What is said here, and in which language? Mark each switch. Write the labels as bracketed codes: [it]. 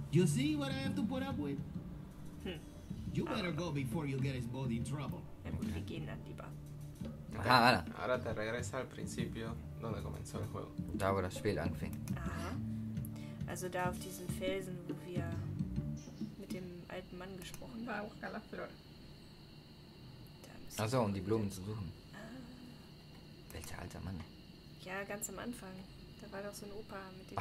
[en] You see what I have to put up with? You better go before you get his body in trouble. Okay. [es] Okay. Ah, ahora. Ahora te regresa al principio donde comenzó el juego. [de] Da, wo das Spiel anfing. Aha. Also da auf diesem Felsen, wo wir mit dem alten Mann gesprochen haben. War auch gar nicht flor. Achso, um die Blumen zu suchen. Welcher alter Mann? Ja, ganz am Anfang. Da war doch so ein Opa, mit dem